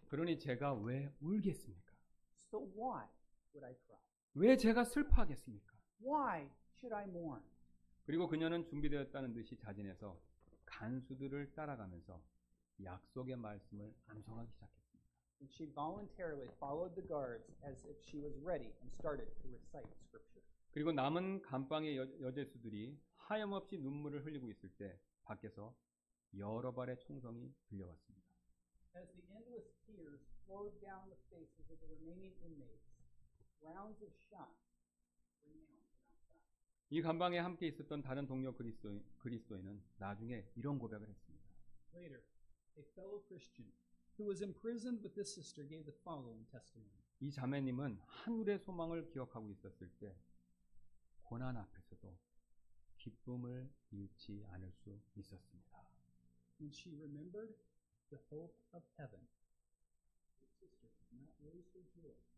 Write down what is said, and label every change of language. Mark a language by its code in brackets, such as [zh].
[ko] 그러니 제가 왜 울겠습니까? [en] So why would I cry? [ko] 왜 제가 슬퍼하겠습니까? [en] Why should I mourn? [ko] 그리고 그녀는 준비되었다는 듯이 자진해서 간수들을 따라가면서 약속의 말씀을 암송하기 시작했습니다. [en] And she voluntarily followed the guards as if she was ready and started to recite scripture. [ko] 그리고 남은 감방의 여죄수들이 하염없이 눈물을 흘리고 있을 때 밖에서 여러 발의 총성이 들려왔습니다. [en] As the endless tears flowed down the faces of the remaining inmates, rounds of shot rang out. [ko] 이 감방에 함께 있었던 다른 동료 그리스도인은 나중에 이런 고백을 했습니다. [en] Later, a fellow Christian who was imprisoned with this sister gave the following testimony. [ko] 이 자매님은 하늘의 소망을 기억하고 있었을 때 고난 앞에서도 기쁨을 잃지 않을 수 있었습니다. [en] And she remembered the hope of heaven. Her sister did not lose her joy